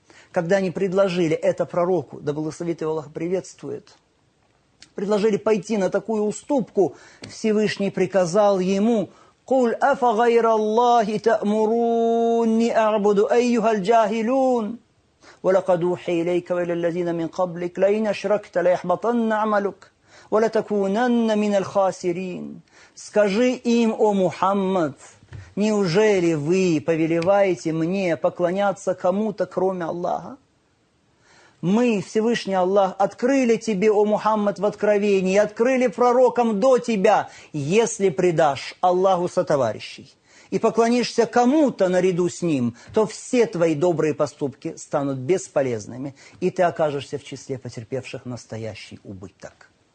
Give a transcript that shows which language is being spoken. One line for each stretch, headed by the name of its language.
Russian: Когда они предложили это пророку, да благословит его Аллах приветствует, предложили пойти на такую уступку, Всевышний приказал ему:
Arabic: «Куль афа гайра Аллахи та'муруни а'буду айюхаль джахилун». ولقد أوحي إليك وإلى الذين من قبلك لئن أشركت ليحبطن عملك ولتكونن من الخاسرين.
Russian: Скажи им, о Мухаммад, неужели вы повелеваете мне поклоняться кому-то, кроме Аллаха? Мы, Всевышний Аллах, открыли тебе, о Мухаммад, в откровении, открыли пророкам до тебя, если предашь Аллаху сотоварищей и поклонишься кому-то наряду с ним, то все твои добрые поступки станут бесполезными, и ты окажешься в числе потерпевших настоящий убыток.